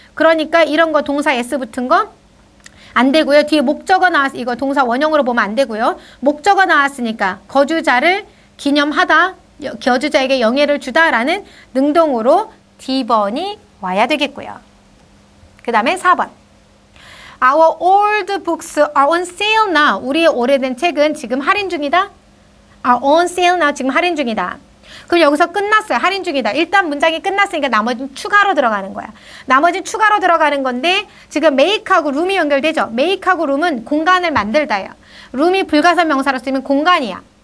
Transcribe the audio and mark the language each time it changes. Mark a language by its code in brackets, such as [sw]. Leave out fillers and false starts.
[ko] 그러니까 이런 거 동사 S 붙은 거 안 되고요. 뒤에 목적어 나왔으니까 이거 동사 원형으로 보면 안 되고요. 목적어 나왔으니까 거주자를 기념하다, 겨주자에게 영예를 주다라는 능동으로 D번이 와야 되겠고요. 그 다음에 4번. [en] Our old books are on sale now. [ko] 우리의 오래된 책은 지금 할인 중이다. [en] Are on sale now. [ko] 지금 할인 중이다. 그럼 여기서 끝났어요. 할인 중이다. 일단 문장이 끝났으니까 나머지는 추가로 들어가는 거야. 나머지는 추가로 들어가는 건데 지금 make하고 room이 연결되죠. make하고 room은 공간을 만들다예요. room이 불가사 명사로 쓰이면 공간이야.